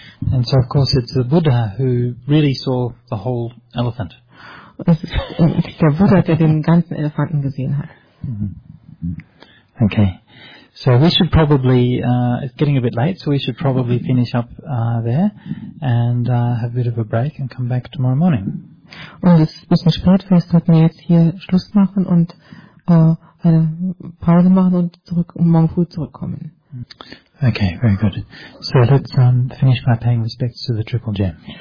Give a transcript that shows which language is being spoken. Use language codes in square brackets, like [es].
[en] And so of course it's the Buddha who really saw the whole elephant. [de] Es ist der Buddha, der den ganzen Elefanten gesehen hat. [en] Okay. So we should probably, it's getting a bit late, so we should probably finish up there and have a bit of a break and come back tomorrow morning. [de] Und es ist ein bisschen spät, wir sollten jetzt hier Schluss machen und eine Pause machen und morgen früh zurückkommen. [en] Okay, very good. So let's finish by paying respects to the Triple Gem.